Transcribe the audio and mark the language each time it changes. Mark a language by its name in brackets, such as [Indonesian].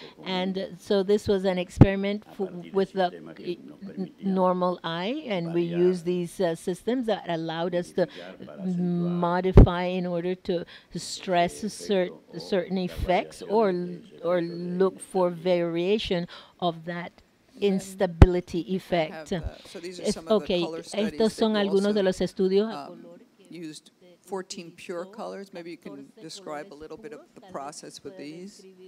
[English] And so this was an experiment with the normal eye, and we used these systems that allowed us to modify in order to stress certain effects or look for variation of that instability effect. [Spanish] Estos son algunos de los estudios [English] used 14 pure colors. Maybe you can describe a little bit of the process with these.